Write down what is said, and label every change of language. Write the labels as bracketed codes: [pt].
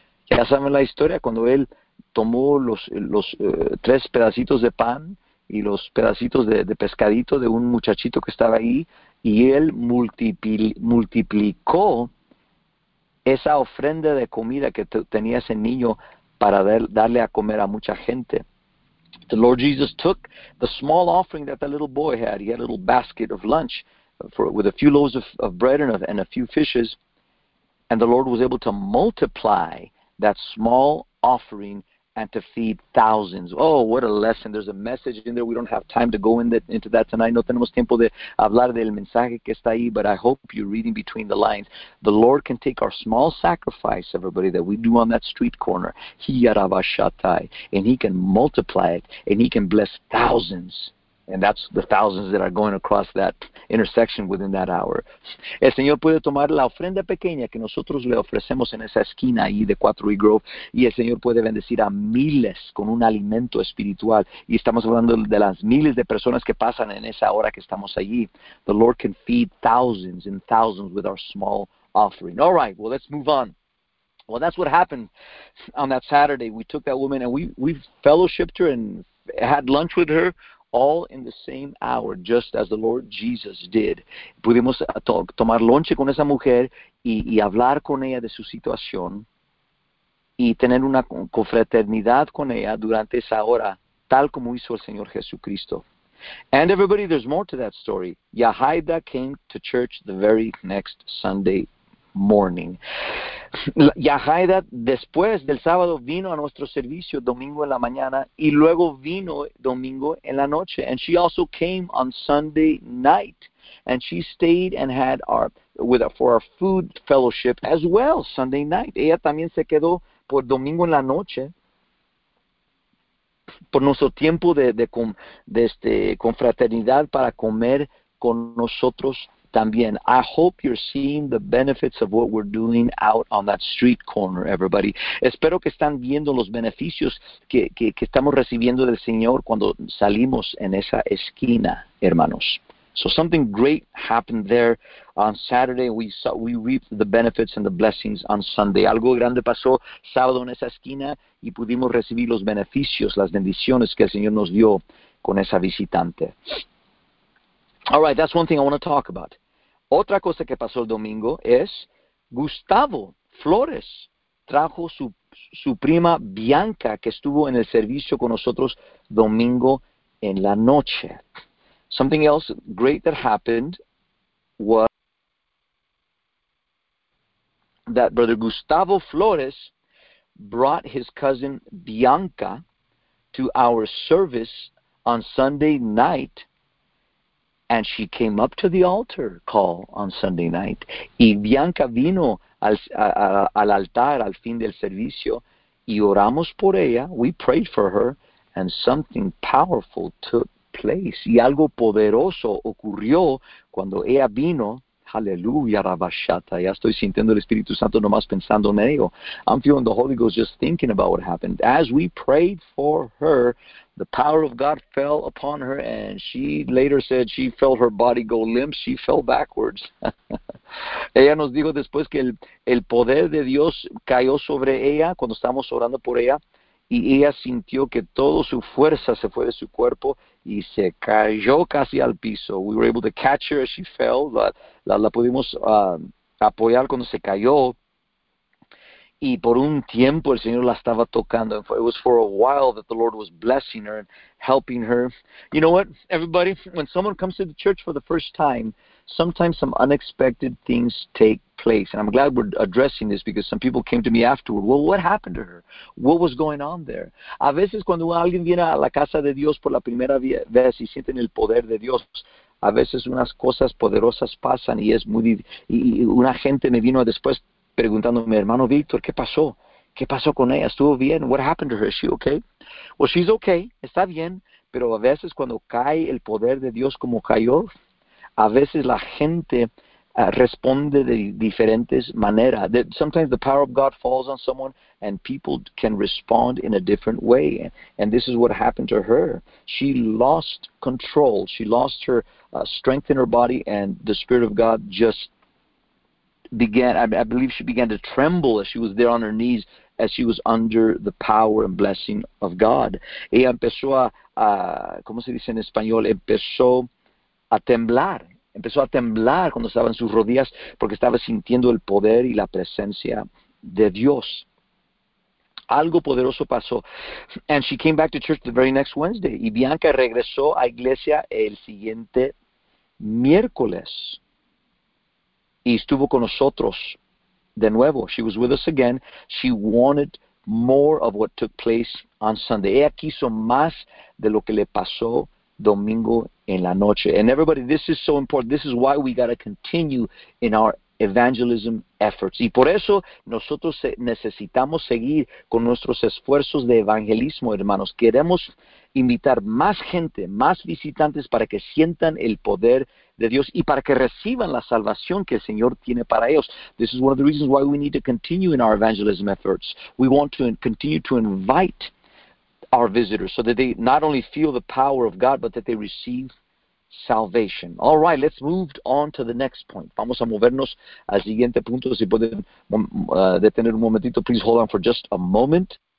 [es] Ya saben la historia, cuando él tomó los tres pedacitos de pan y los pedacitos de pescadito de un muchachito que estaba ahí, y él multiplicó esa ofrenda de comida que tenía ese niño para darle a comer a mucha gente. [en] The Lord Jesus took the small offering that little boy had. He had a little basket of lunch with a few loaves of bread and a few fishes. And the Lord was able to multiply that small offering and to feed thousands. Oh, what a lesson. There's a message in there. We don't have time to go into that tonight. [es] No tenemos tiempo de hablar del mensaje que está ahí, [en] but I hope you're reading between the lines. The Lord can take our small sacrifice, everybody, that we do on that street corner, and he can multiply it, and he can bless thousands. And that's the thousands that are going across that intersection within that hour. [es] El Señor puede tomar la ofrenda pequeña que nosotros le ofrecemos en esa esquina ahí de 4 y Grove, y el Señor puede bendecir a miles con un alimento espiritual. Y estamos hablando de las miles de personas que pasan en esa hora que estamos allí. [en] The Lord can feed thousands and thousands with our small offering. All right, well, let's move on. Well, that's what happened on that Saturday. We took that woman and we fellowshipped her and had lunch with her, all in the same hour, just as the Lord Jesus did. [es] Pudimos tomar lonche con esa mujer y hablar con ella de su situación y tener una confraternidad con ella durante esa hora, tal como hizo el Señor Jesucristo. [en] And everybody, there's more to that story. Yahida came to church the very next Sunday morning. [es] Yahida, después del sábado, vino a nuestro servicio domingo en la mañana y luego vino domingo en la noche. [en] And she also came on Sunday night, and she stayed and had our food fellowship as well Sunday night. [es] Ella también se quedó por domingo en la noche, por nuestro tiempo de confraternidad para comer con nosotros. También, [en] I hope you're seeing the benefits of what we're doing out on that street corner, everybody. [es] Espero que están viendo los beneficios que estamos recibiendo del Señor cuando salimos en esa esquina, hermanos. [en] So something great happened there on Saturday. We reaped the benefits and the blessings on Sunday. [es] Algo grande pasó sábado en esa esquina y pudimos recibir los beneficios, las bendiciones que el Señor nos dio con esa visitante. [en] All right, that's one thing I want to talk about. [es] Otra cosa que pasó el domingo es Gustavo Flores trajo su prima Bianca, que estuvo en el servicio con nosotros domingo en la noche. [en] Something else great that happened was that Brother Gustavo Flores brought his cousin Bianca to our service on Sunday night. And she came up to the altar call on Sunday night. [es] Y Bianca vino al altar al fin del servicio. Y oramos por ella. [en] We prayed for her. And something powerful took place. [es] Y algo poderoso ocurrió cuando ella vino. Hallelujah, Rabashata. Ya estoy sintiendo el Espíritu Santo nomás pensando en ello. [en] I'm feeling the Holy Ghost just thinking about what happened. As we prayed for her, the power of God fell upon her, and she later said she felt her body go limp. She fell backwards. [es] Ella nos dijo después que el poder de Dios cayó sobre ella cuando estábamos orando por ella, y ella sintió que toda su fuerza se fue de su cuerpo y se cayó casi al piso. [en] We were able to catch her as she fell. [es] La pudimos apoyar cuando se cayó. Y por un tiempo el Señor la estaba tocando. [en] It was for a while that the Lord was blessing her and helping her. You know what, everybody? When someone comes to the church for the first time, sometimes some unexpected things take place. And I'm glad we're addressing this because some people came to me afterward. Well, what happened to her? What was going on there? [es] A veces cuando alguien viene a la casa de Dios por la primera vez y sienten el poder de Dios, a veces unas cosas poderosas pasan y es muy. Y una gente me vino después preguntándome, hermano Víctor, ¿qué pasó? ¿Qué pasó con ella? ¿Estuvo bien? [en] What happened to her? Is she okay? Well, she's okay. [es] Está bien. Pero a veces cuando cae el poder de Dios como cayó, a veces la gente responde de diferentes maneras. [en] Sometimes the power of God falls on someone and people can respond in a different way. And this is what happened to her. She lost control. She lost her strength in her body and the Spirit of God just began. I believe she began to tremble as she was there on her knees, as she was under the power and blessing of God. [es] Ella empezó a, ¿cómo se dice en español? Empezó a temblar. Empezó a temblar cuando estaba en sus rodillas porque estaba sintiendo el poder y la presencia de Dios. Algo poderoso pasó. [en] And she came back to church the very next Wednesday. [es] Y Bianca regresó a iglesia el siguiente miércoles. Y estuvo con nosotros de nuevo. [en] She was with us again. She wanted more of what took place on Sunday. [es] Ella quiso más de lo que le pasó domingo en la noche. [en] And everybody, this is so important. This is why we got to continue in our evangelism efforts. [es] Y por eso nosotros necesitamos seguir con nuestros esfuerzos de evangelismo, hermanos. Queremos invitar más gente, más visitantes para que sientan el poder de Dios y para que reciban la salvación que el Señor tiene para ellos. [en] This is one of the reasons why we need to continue in our evangelism efforts. We want to continue to invite our visitors so that they not only feel the power of God, but that they receive salvation. All right, let's move on to the next point. [es] Vamos a movernos al siguiente punto. Si pueden detener un momentito, [en] please hold on for just a moment.